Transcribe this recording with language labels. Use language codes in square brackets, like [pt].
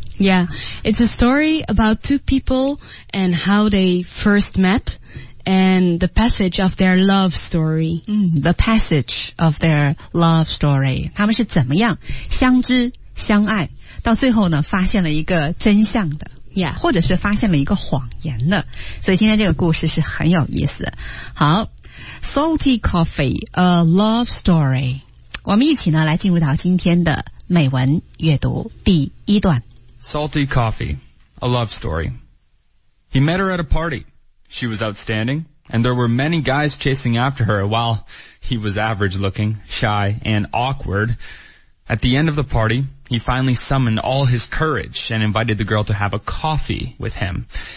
[en] Yeah. It's a story about two people and how they first met. And the passage of their love story. The passage of their love story. [zh] 他们是怎么样相知相爱，到最后呢，发现了一个真相的。 [en] Yeah. [zh] 或者是发现了一个谎言的。所以今天这个故事是很有意思。 [en] 好， Salty Coffee, a love story. [zh] 我们一起呢，来进入到今天的美文阅读第一段。 [en] Salty Coffee, a love story. He met her at a party. She was outstanding, and there were many guys chasing after her. While he was average-looking, shy, and awkward, at the end of the party, he finally summoned all his courage and invited the girl to have a coffee with him.